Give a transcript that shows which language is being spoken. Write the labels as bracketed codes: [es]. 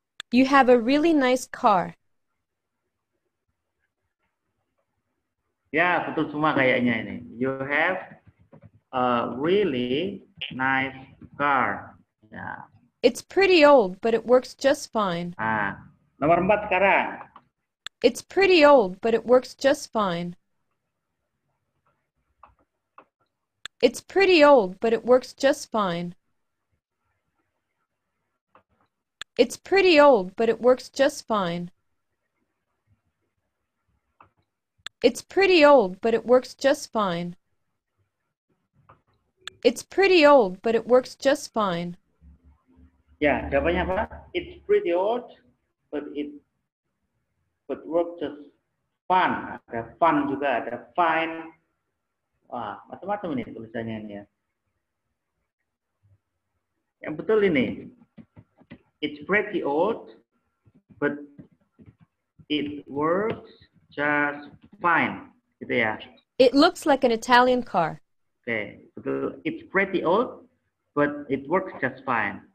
[en] You have a really nice car. [id] Ya, betul semua kayaknya ini. [en] You have a really nice car. Yeah. It's pretty old, but it works just fine. [id] Ah, nomor empat sekarang. [en] It's pretty old, but it works just fine. It's pretty old, but it works just fine. It's pretty old, but it works just fine. It's pretty old, but it works just fine. It's pretty old, but it works just fine. [id] Yeah, jawabannya apa? [en] It's pretty old, but it but works just fine. [id] Ada fun juga, ada fine. Wah, macam-macam ini tulisannya ini ya. Yang betul ini. [en] It's pretty old, but it works just fine. [id] Gitu ya. [en] It looks like an Italian car. Okay. It's pretty old, but it works just fine.